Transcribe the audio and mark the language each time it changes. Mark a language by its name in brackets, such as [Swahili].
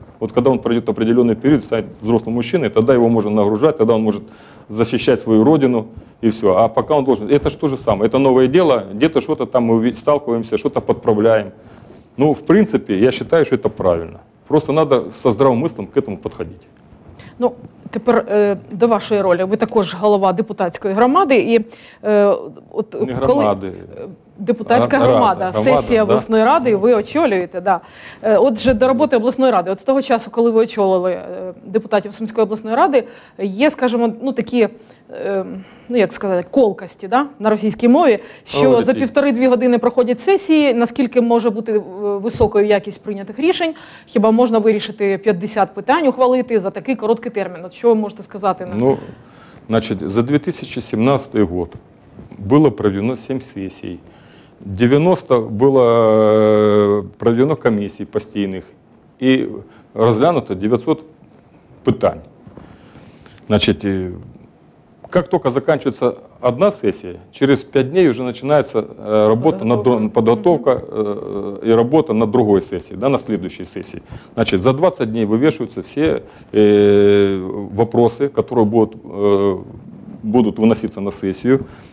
[Russian] Вот когда он пройдет определенный период, станет взрослым мужчиной, тогда его можно нагружать, тогда он может защищать свою родину и все. А пока он должен... Это же то же самое, это новое дело, где-то что-то там мы сталкиваемся, что-то подправляем. Ну, в принципе, я считаю, что это правильно. Просто надо со здравым смыслом к этому подходить. [Ukrainian] Ну, тепер до вашої ролі. Ви також голова депутатської громади. І, от, не коли... громади. Депутатська громада. Сесія громада, обласної да? ради, ви очолюєте. Да. Отже, до роботи обласної ради. От з того часу, коли ви очолили депутатів Сумської обласної ради, є, скажімо, ну, такі... ну, як сказати, колкості, да, на російській мові, що за 1,5-2 години проходять сесії, наскільки може бути високою якість прийнятих рішень, хіба можна вирішити 50 питань, ухвалити за такий короткий термін? От що ви можете сказати? Ну, значить, за 2017 рік було проведено 7 сесій, 90 було проведено комісій постійних і розглянуто 900 питань. [Russian] Значить, как только заканчивается одна сессия, через 5 дней уже начинается работа подготовка и работа на другой сессии, да, на следующей сессии. Значит, за 20 дней вывешиваются все вопросы, которые будут выноситься на сессию.